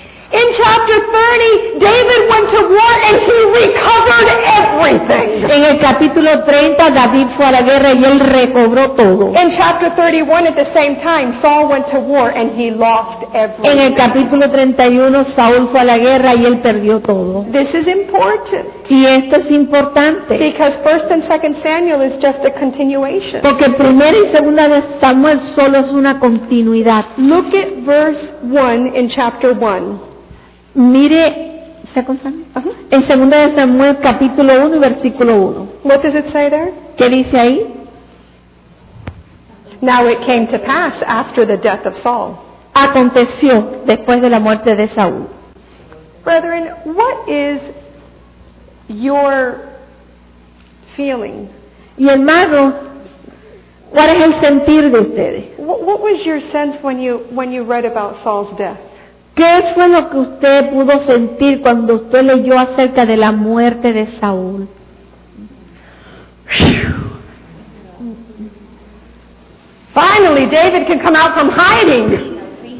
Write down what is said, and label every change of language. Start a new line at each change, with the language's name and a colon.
English: In chapter 30, David went to war and he recovered everything.
Spanish: En el capítulo 30, David fue a la guerra y él recobró todo.
English: In chapter 31, at the same time, Saul went to war and he lost everything.
Spanish: En el capítulo 31, Saúl fue a la guerra y él perdió todo.
English: This is important.
Spanish: Y esto es importante.
English: Because 1 and 2 Samuel is just a continuation.
Spanish: Porque 1 y 2 de Samuel solo es una continuidad.
English: Look at verse 1 in chapter 1.
Spanish: Mire, en 2 de Samuel capítulo 1 y versículo 1.
English: What does it say there?
Spanish: ¿Qué dice ahí?
English: Now it came to pass after the death of Saul.
Spanish: Aconteció después de la muerte de Saúl.
English: Brethren, what is your feeling?
Spanish: Y hermano, ¿cuál es el sentir de ustedes?
English: What was your sense when you read about Saul's death?
Spanish: ¿Qué fue lo que usted pudo sentir cuando usted leyó acerca de la muerte de Saúl?
English: Finally, David can come out from hiding.